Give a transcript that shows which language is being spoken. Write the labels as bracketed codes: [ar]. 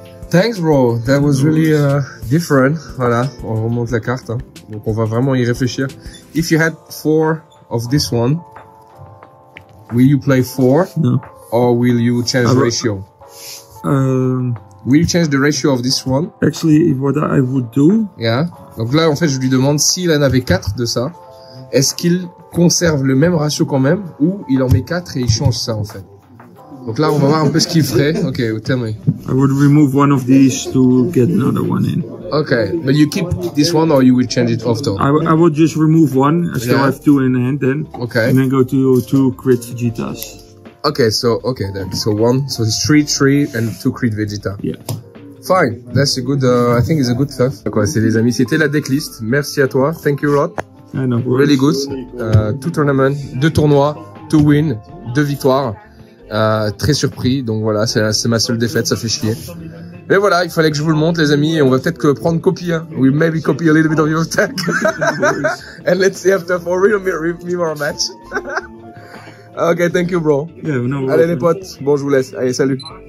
[en] Thanks, bro. That was really different. [fr] Voilà, on remonte la carte. [en] Hein. [fr] Donc, on va vraiment y réfléchir. [en] If you had four of this one, will you play four? No. Or will you change the ratio? Will you change the ratio of this one? Actually, what I would do. Yeah. [fr] Donc là, en fait, je lui demande s'il en avait quatre de ça. Est-ce qu'il conserve le même ratio quand même ou il en met quatre et il change ça, en fait? Donc là, on va voir un peu ce qu'il ferait. [en] Ok, tell me. I would remove one of these to get another one in. Ok, but you keep this one or you will change it after? I would just remove one. I still have two in hand then. Ok. And then go to two crit Vegetas. Ok, so, ok then. So one, so it's three and two crit Vegeta. Yeah. Fine, that's a good, I think it's a good stuff. [fr] Ok, c'est les amis, c'était la decklist. Merci à toi, [en] thank you a lot. Yeah, no, really good. Two tournaments, [fr] deux tournois, [en] two win, [fr] deux victoires. Très surpris, donc voilà, c'est ma seule défaite, ça fait chier. Mais voilà, il fallait que je vous le montre, les amis, et on va peut-être prendre copie, hein. [en] We maybe copy a little bit of your tech. And let's see after for real mirror match. Okay, thank you, bro. Yeah, no, [fr] allez, les potes, bon, je vous laisse. Allez, salut.